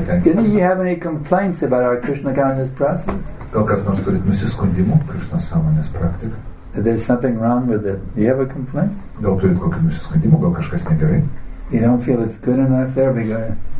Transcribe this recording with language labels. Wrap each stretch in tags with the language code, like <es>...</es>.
<en>Do you have any complaints about our Krishna consciousness process?</en> <lt>Gal kas nors turit nusiskundimų Krishna sąmonės praktika?</lt> <en>That there's something wrong with it. Do you have a complaint?</en> <lt>Gal turit kokį nusiskundimų, gal kažkas negerai?</lt> <en>You don't feel it's good enough there, we go.</en>